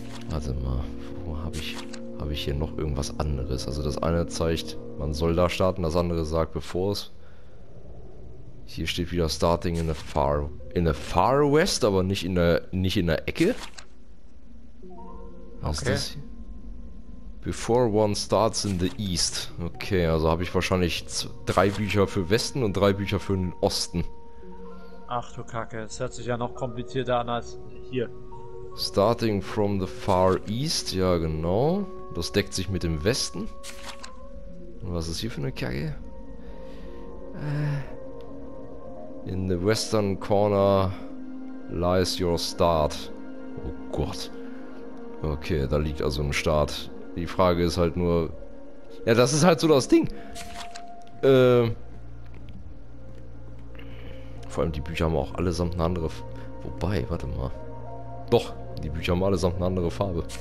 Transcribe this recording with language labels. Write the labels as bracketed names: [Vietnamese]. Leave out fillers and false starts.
[German] Warte mal. Wo habe ich hier noch irgendwas anderes? Also das eine zeigt, man soll da starten, das andere sagt, bevor es... Hier steht wieder [English] Starting in the far West, [German] aber nicht in der Ecke. Was ist das hier? [English] Before one starts in the east. [German] Okay, also habe ich wahrscheinlich drei Bücher für Westen und drei Bücher für den Osten. Ach du Kacke, es hört sich ja noch komplizierter an als hier. [English] Starting from the far east, [German] ja genau. Das deckt sich mit dem Westen. Und was ist hier für eine Kacke? [English] In the western corner lies your start. [German] Oh Gott. Okay, da liegt also ein Start. Die Frage ist halt nur... Ja, das ist halt so das Ding. Vor allem die Bücher haben auch allesamt eine andere... Wobei, warte mal. Doch, die Bücher haben allesamt eine andere Farbe.